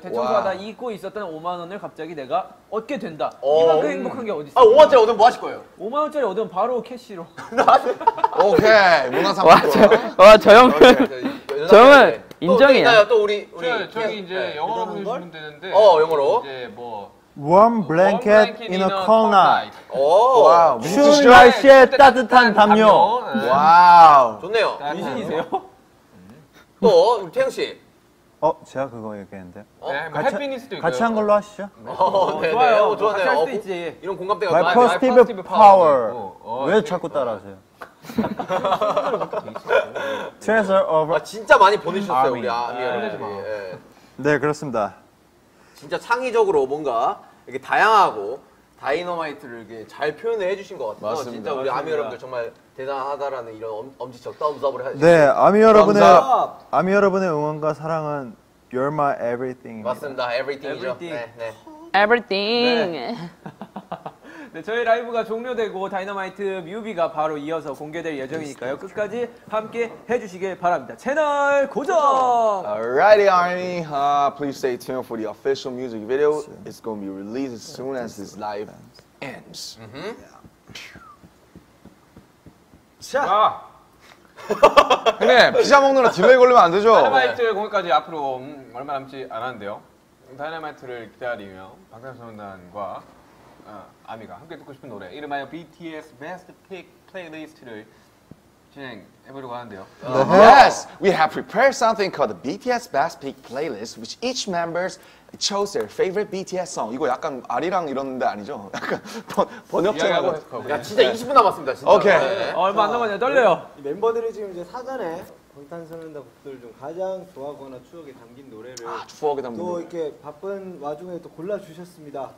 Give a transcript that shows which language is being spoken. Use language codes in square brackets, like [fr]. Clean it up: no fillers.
[ko] 대청소하다 잊고 있었던 5만 원을 갑자기 내가 얻게 된다. 이만큼 행복한 게 어디 있어? 아, 5만 원짜리 얻으면 뭐 하실 거예요? 5만 원짜리 얻으면 바로 캐시로. 오케이, 문화상품권. 와, 저 형은 저 형은 인정이야. 또 있나요? 또 우리 저기 이제 영어로 주면 되는데. 영어로. 이제 뭐. [en] Warm blanket in a cold night. [ko] 오, 와우. 추운 날씨에 따뜻한 담요. 네. 와우. 좋네요. 미신이세요? 또 태영 씨. 제가 그거 얘기했는데. 해피니스도 있고요. 같이 한 걸로 하시죠. 좋아요. 좋아요. 할 수 있지. 이런 공감대가 많아요. [en] My positive power. [ko] 왜 자꾸 따라하세요? [en] Treasure of. [ko] 진짜 많이 보내셨어요 우리 아미. 보내지 마. 네, 그렇습니다. 진짜 창의적으로 뭔가 이렇게 다양하고 다이너마이트를 이렇게 잘 표현을 해주신 것 같아요. 맞습니다. 진짜 우리 맞습니다. 아미 여러분들 정말 대단하다라는 이런 엄지척 다운서브를 해주신 것 같아요. 네, 아미 여러분의 아미 여러분의 응원과 사랑은 [en] You're my everything. [ko] 맞습니다. Everything이죠. [en] Everything. [ko] 네, 네. Everything. 네. 네, 저희 라이브가 종료되고 다이너마이트 뮤비가 바로 이어서 공개될 예정이니까요. 끝까지 함께 해주시길 바랍니다. 채널 고정! [en] Alrighty, Army. Please stay tuned for the official music video. It's going to be released as soon as this live ends. Mm-hmm. Yeah. 자! [ko] 형님, 피자 먹느라 딜레이 걸리면 안 되죠? 다이너마이트 공개까지 앞으로 얼마 남지 않았는데요. 다이너마이트를 기다리며 방탄소년단과 아미가 함께 듣고 싶은 노래 이름하여 BTS Best Pick Playlist를 진행해보려고 하는데요. [en] Yes! We have prepared something called the BTS Best Pick Playlist which each members chose their favorite BTS song. [ko] 이거 약간 아리랑 이런데 아니죠? 약간 번역체가 야 진짜 20분 남았습니다 진짜. 오케이. 얼마 안 남았냐 떨려요. 멤버들이 지금 이제 사전에 방탄소년단 곡들 중 가장 좋아하거나 추억에 담긴 노래를 추억에 담긴 또 노래. 이렇게 바쁜 와중에 또 골라 주셨습니다.